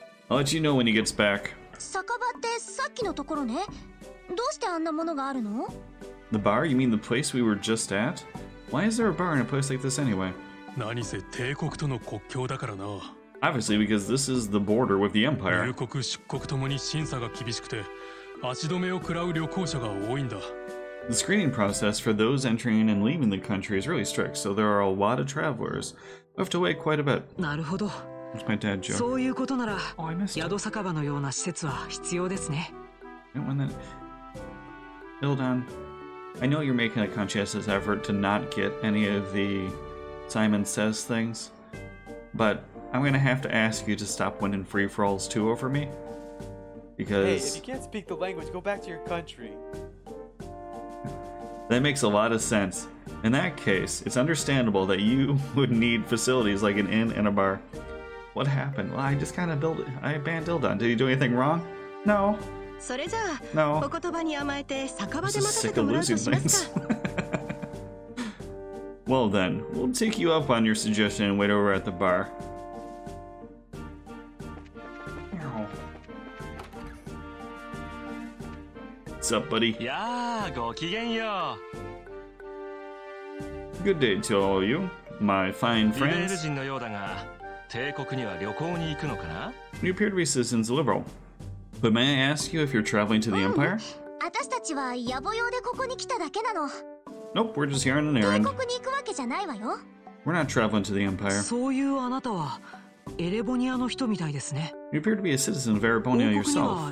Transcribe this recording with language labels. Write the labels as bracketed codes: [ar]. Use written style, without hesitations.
[en] I'll let you know when he gets back. The bar? You mean the place we were just at? Why is there a bar in a place like this anyway? [ja] 何せ帝国との国境だからな。 [en] Obviously, because this is the border with the empire. [ja] 入国出国ともに審査が厳しくて、足止めを食らう旅行者が多いんだ。 [en] The screening process for those entering and leaving the country is really strict, so there are a lot of travelers. We have to wait quite a bit. [ja] なるほど。 [en] That's my dad joke. [ja] そういうことなら、 [en] oh, I missed it. [ja] 宿酒場のような施設は必要ですね。 [en] And when that... Ildan, I know you're making a conscientious effort to not get any of the Simon Says things, but I'm going to have to ask you to stop winning free-for-alls too over me. Because... Hey, if you can't speak the language, go back to your country. That makes a lot of sense. In that case, it's understandable that you would need facilities like an inn and a bar. What happened? Well, I just kind of built it. I banned Ildan. Did he do anything wrong? No. [ja] それじゃあ、 [en] no. [ja] お言葉に甘えて酒場で待たせてもらうとしますか。 [en] Well then, we'll take you up on your suggestion and wait over at the bar. What's up, buddy? [ja] Yeah, ごきげんよう。 [en] Good day to all you, my fine friends. [ja] リベラル人のようだが、帝国には旅行に行くのかな? [en] You appear to be citizens liberal. But may I ask you if you're traveling to the Empire? [ja] 私たちは野暮用でここに来ただけなの。 [en] Nope, we're just here on an errand. [ja] 帝国に行くわけじゃないわよ。 [en] We're not traveling to the Empire. [ja] そういうあなたはエレボニアの人みたいですね。 [en] You appear to be a citizen of Erebonia yourself.